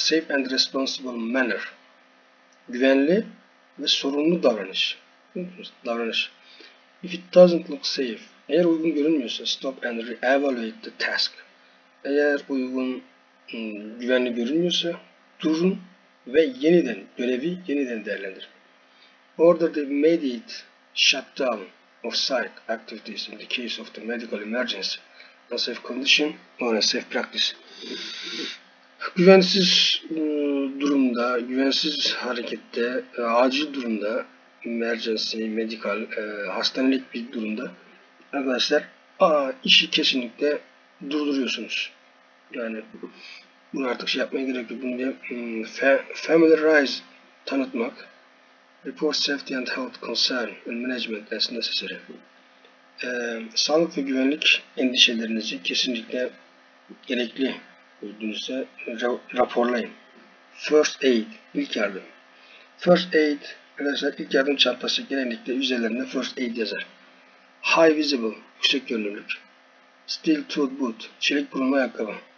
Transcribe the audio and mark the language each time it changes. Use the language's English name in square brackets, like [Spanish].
[English] Safe and responsible manner. [Turkish] Güvenli ve sorumlu davranış. Davranış. [English] If it doesn't look safe, [Turkish] eğer uygun görünmüyorsa, [English] stop and re-evaluate the task. [Turkish] Eğer uygun, güvenli görünmüyorsa, durun ve yeniden, görevi yeniden değerlendirin. [English] Order the immediate shutdown of site activities in the case of the medical emergency. A safe condition or a safe practice. [Turkish] Güvensiz durumda, güvensiz harekette, acil durumda, emergency, medical, hastanelik bir durumda arkadaşlar işi kesinlikle durduruyorsunuz. Yani bunu artık şey yapmaya gerek yok. Bunu familiarize tanıtmak. [English] Report safety and health concern and management as necessary. [Turkish] Sağlık ve güvenlik endişelerinizi kesinlikle gerekli gördüğünüzde raporlayın. First aid, ilk yardım. First aid, arkadaşlar ilk yardım çantası genellikle üzerlerinde first aid yazar. High visible, yüksek görünürlük. Steel toed boot, çelik burunlu ayakkabı.